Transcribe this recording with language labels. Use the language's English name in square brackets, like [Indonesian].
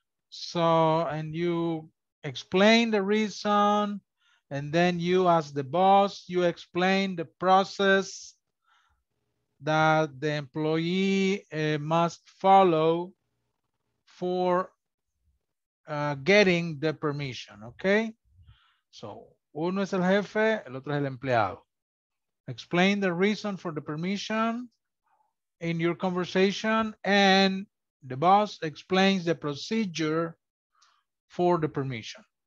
[English] So, and you explain the reason, and then you ask the boss, you explain the process that the employee must follow for getting the permission, okay? [Spanish] So, uno es el jefe, el otro es el empleado. [English] Explain the reason for the permission in your conversation, and the boss explains the procedure for the permission.